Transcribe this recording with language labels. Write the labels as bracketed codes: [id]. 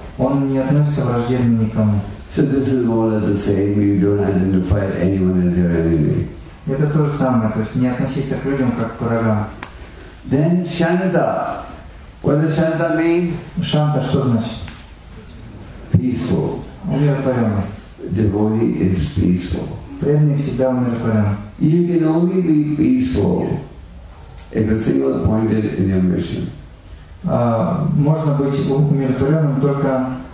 [ru] он не относится враждебно никому. [en] So this is more or less the same, you don't identify anyone as your enemy. [ru] Это то же самое, то есть не относиться к людям как к врагам. [en] Then Shanta. What does Shanta mean? [ru] Shanta, что значит? [en] Peaceful. [ru] Умиротворенный. [en] Devotee is peaceful. [ru] Преданный всегда умиротворенный. [en] You can only be peaceful if you're single-pointed in your mission. [ru] Можно быть умиротворенным только